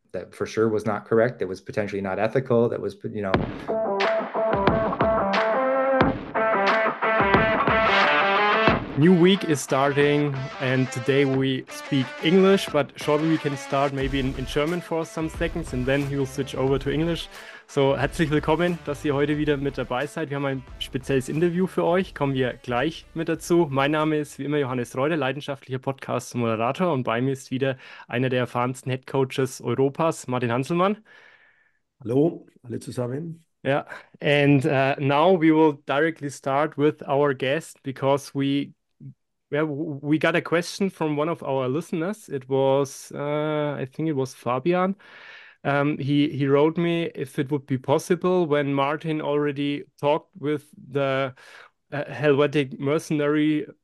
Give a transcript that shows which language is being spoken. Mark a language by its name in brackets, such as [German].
[English] That for sure was not correct. It was potentially not ethical. That was, you know. New week is starting, and today we speak English, but shortly we can start maybe in German for some seconds, and then we'll switch over to English. [German] So herzlich willkommen, dass ihr heute wieder mit dabei seid. Wir haben ein spezielles Interview für euch, kommen wir gleich mit dazu. Mein Name ist wie immer Johannes Reude, leidenschaftlicher Podcast-Moderator, und bei mir ist wieder einer der erfahrensten Headcoaches Europas, Martin Hanselmann. Hallo, alle zusammen. [English] Yeah, and now we will directly start with our guest, because we got a question from one of our listeners. It was, I think it was Fabian. He wrote me if it would be possible, when Martin already talked with the Helvetic mercenary.